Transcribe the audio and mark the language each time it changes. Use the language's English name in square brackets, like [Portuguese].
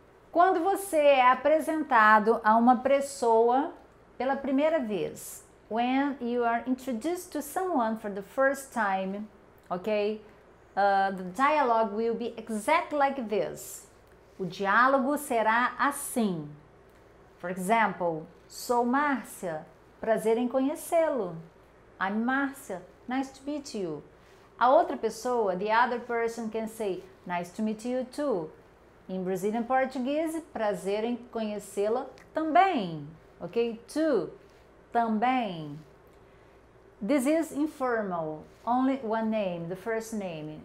[Portuguese] Quando você é apresentado a uma pessoa pela primeira vez, [English] when you are introduced to someone for the first time, okay? The dialogue will be exactly like this. [Portuguese] O diálogo será assim. [English] For example, [Portuguese] sou Márcia, prazer em conhecê-lo. [English] I'm Márcia, nice to meet you. [Portuguese] A outra pessoa, [English] the other person, can say, nice to meet you too. In Brazilian Portuguese, [Portuguese] prazer em conhecê-la também. [English] Ok? To. Também. This is informal, only one name, the first name.